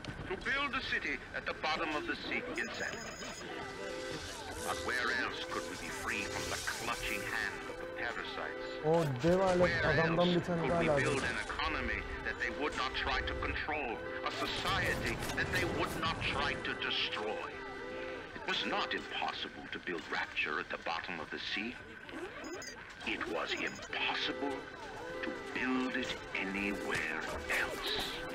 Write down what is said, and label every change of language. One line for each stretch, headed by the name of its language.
English: To build a city at the bottom of the sea, insanity. But where else could we be free from the clutching hand of the parasites?
Turkish: O dev alet adamdan bir tane daha lazım.
English: We build an economy that they would not try to control, a society that they would not try to destroy. It was not impossible to build Rapture at the bottom of the sea. It was impossible to build it anywhere else.